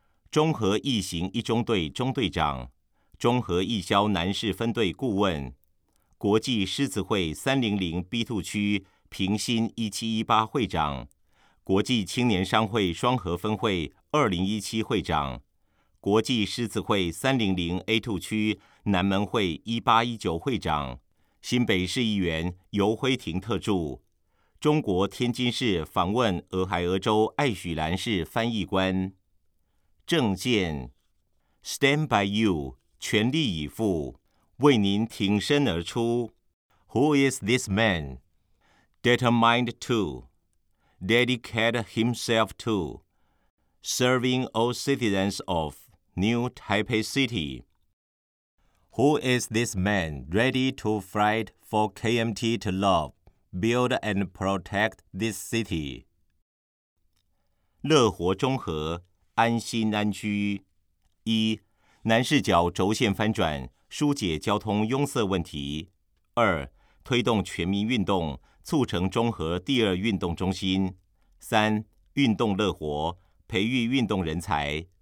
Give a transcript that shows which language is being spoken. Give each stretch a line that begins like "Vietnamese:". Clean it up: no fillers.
Chinese: 中和义行一中队中队长、中和义消南市分队顾问、国际狮子会300B2区平心1718会长、国际青年商会双和分会2017会长、国际狮子会300A2区南门会1819会长、新北市议员游辉廷特助、中国天津市访问俄亥俄州爱许兰市翻译官。政见
English: Stand by you，
Chinese: 全力以赴，为您挺身而出。
English: Who is this man? Determined to dedicate himself to serving all citizens of New Taipei City. Who is this man ready to fight for KMT to love, build and protect this city?
Chinese: 乐活中和，安心安居。一，南势角轴线翻转，疏解交通拥塞问题。二，推动全民运动，促成中和第二运动中心。三，运动乐活，培育运动人才。